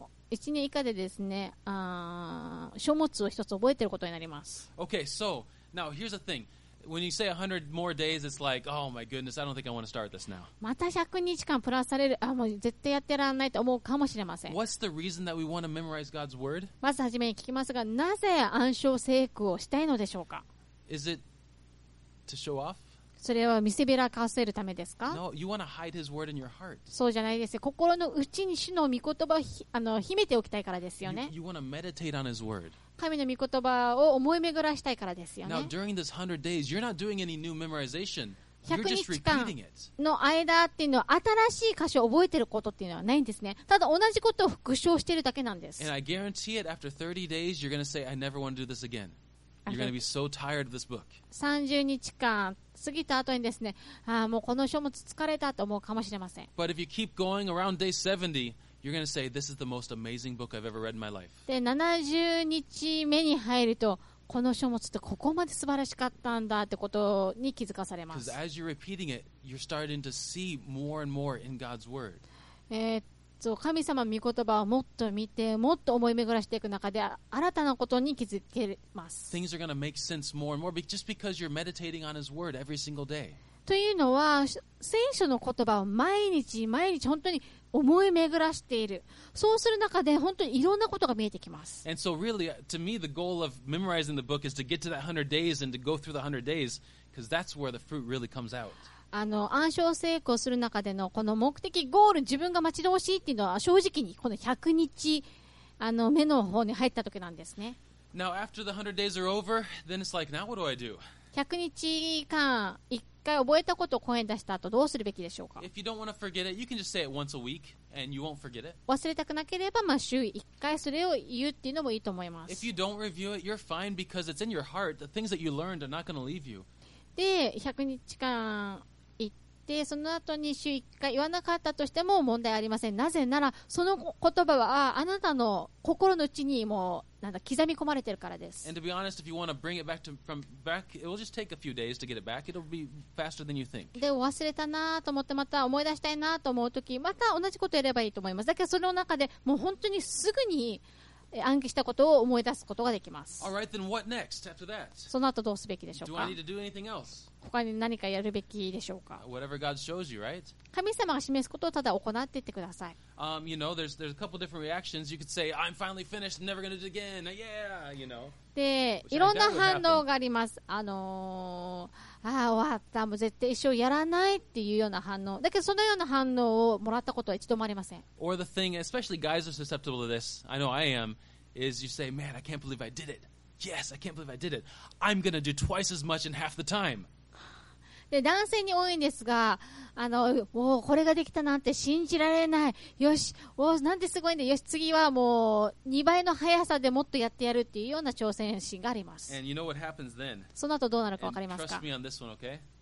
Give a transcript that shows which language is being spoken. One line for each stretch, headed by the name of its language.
Japanese: 1年以下でですね、書物を一つ覚えていることになります。
English: Okay, so now here's the thing. When you say 100 more days, it's like, oh my goodness, I don't think I want to start this now.
Japanese: また100日間プラスされる、あ、もう絶対やってらんないと思うかもしれません。
English: What's the reason that we want to memorize God's word?
Japanese: まずはじめに聞きますが、なぜ暗唱聖句をしたいのでしょうか？
English: Is it to show off?
Japanese: それは見せびらかせるためですか？
English: No, you want to hide his word in your heart.
Japanese: そうじゃないですよ。心の内に主の御言葉を秘めておきたいからですよね。
English: You want to meditate on his word.
Japanese: 神の御言葉を思い巡らしたいからですよね。
English: Now, during this 100 days, you're not doing any new memorization. You're just repeating it.
Japanese: 100日間の間っていうのは新しい箇所を覚えてることっていうのはないんですね。ただ同じことを復唱してるだけなんです。
English: And I guarantee it, after 30 days, you're going to say, I never want to do this again. You're going to be so tired of this book.
Japanese: 30日間過ぎた後にですね、あ、もうこの書物疲れたと思うかもしれません。
English: But if you keep going around day 70, you're going to say, this is the most amazing book I've ever read in my life.
Japanese: で、70日目に入ると、この書物ってここまで素晴らしかったんだってことに気づかされます。
English: Because as you're repeating it, you're starting to see more and more in God's word.
Japanese: 神様の御言葉をもっと見て、もっと思い巡らしていく中で新たなことに気づけます。
English: Things are going to make sense more and more just because you're meditating on his word every single day.
Japanese: というのは、聖書の言葉を毎日毎日本当に思い巡らしている。そうする中で本当にいろんなことが見えてきます。
English: And so really, to me, the goal of memorizing the book is to get to that 100 days and to go through the 100 days because that's where the fruit really comes out.
Japanese: 暗唱聖句をする中でのこの目的ゴール、自分が待ち遠しいっていうのは正直にこの100日目の方に入った時なんですね。
English: Now after the 100 days are over, then it's like, now what do I do?
Japanese: 100日間一回覚えたことを声に出した後どうするべきでしょうか？
English: If you don't want to forget it, you can just say it once a week and you won't forget it.
Japanese: 忘れたくなければ、まあ、週一回それを言うっていうのもいいと思います。
English: If you don't review it, you're fine because it's in your heart. The things that you learned are not going to leave you.
Japanese: で、100日間で、その後に週1回言わなかったとしても問題ありません。なぜならその言葉は あなたの心の内にもなんだ刻み込まれているからです。
English: And to be honest, if you want to bring it back to, from back, it will just take a few days to get it back. It'll be faster than you think.
Japanese: で、忘れたなと思ってまた思い出したいなと思うとき、また同じことやればいいと思います。だけどその中でもう本当にすぐに暗記したことを思い出すことができます。
English: All right, then what next after that?
Japanese: その後どうすべきでしょうか？
English: Do I need to do anything else?
Japanese: 他に何かやるべきでしょうか？
English: Whatever God shows you, right?
Japanese: 神様が示すことをただ行っていってください。
English: You know, there's a couple different reactions. You could say, I'm finally finished, never going to do it again. Yeah, you know.
Japanese: で、いろんな反応があります。ああ終わった、もう絶対一生やらないっていうような反応。だけどそのような反応をもらったことは一度もありません。
English: Or the thing, especially guys are susceptible to this, I know I am, is you say, man, I can't believe I did it. Yes, I can't believe I did it. I'm going to do twice as much in half the time.
Japanese: で男性に多いんですが、あのもうこれができたなんて信じられない、よしおなんてすごいんだよし、次はもう2倍の速さでもっとやってやるっていうような挑戦心があります。
English: And you know what happens then.
Japanese: その後どうなるか分かりますか？
English: And trust me on this one, okay?